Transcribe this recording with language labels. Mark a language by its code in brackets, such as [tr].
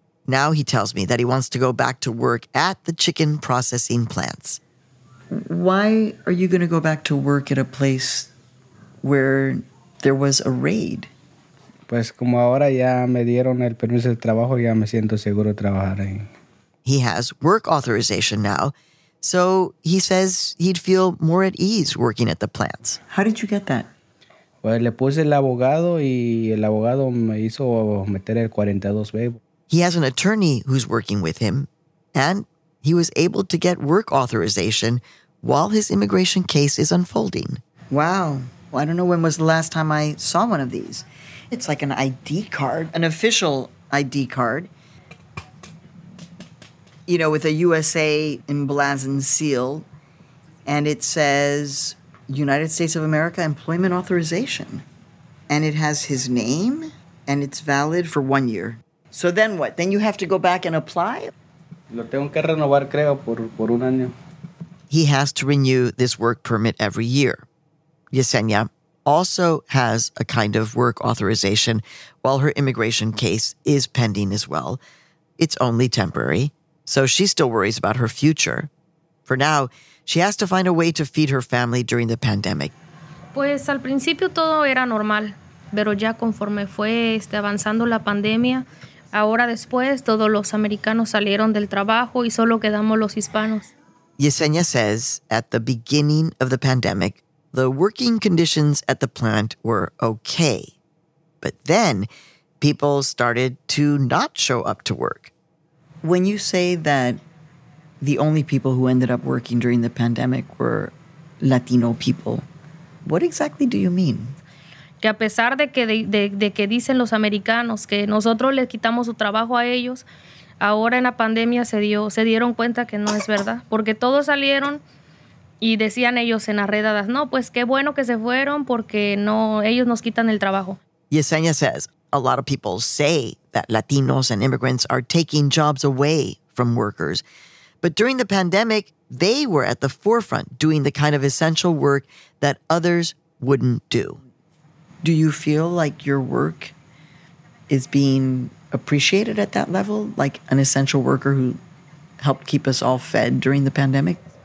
[en] Now he tells me that he wants to go back to work at the chicken processing plants. Why are you going to go back to work at a place where there was a raid? [es] Pues como ahora ya me dieron el permiso de trabajo, ya me siento seguro de trabajar ahí. [en] He has work authorization now, so he says he'd feel more at ease working at the plants. How did you get that? [es] Pues le puse el abogado y el abogado me hizo meter el 42B. [en] He has an attorney who's working with him, and he was able to get work authorization while his immigration case is unfolding. Wow. Well, I don't know when was the last time I saw one of these. It's like an ID card, an official ID card. you know, with a USA emblazoned seal, and it says United States of America Employment Authorization. And it has his name, and it's valid for 1 year. So then what? Then you have to go back and apply? [es] Lo tengo que renovar, creo, por un año. [en] He has to renew this work permit every year. Yesenia also has a kind of work authorization while her immigration case is pending as well. It's only temporary, so she still worries about her future. For now, she has to find a way to feed her family during the pandemic. [es] Pues al principio todo era normal, pero ya conforme fue avanzando la pandemia, ahora después todos los americanos salieron del trabajo y solo quedamos los hispanos. [en] Yesenia says at the beginning of the pandemic, the working conditions at the plant were okay. But then people started to not show up to work. When you say that the only people who ended up working during the pandemic were Latino people, what exactly do you mean? [es] Que a pesar de que dicen los americanos que nosotros les quitamos su trabajo a ellos, ahora en la pandemia se dieron cuenta que no es verdad, porque todos salieron y decían ellos en arredadas, no, pues qué bueno que se fueron porque no, ellos nos quitan el trabajo. [en] Yesenia says a lot of people say that Latinos and immigrants are taking jobs away from workers. But during the pandemic, they were at the forefront doing the kind of essential work that others wouldn't do. Do you feel like your work is being appreciated at that level, like an essential worker who helped keep us all fed during the pandemic?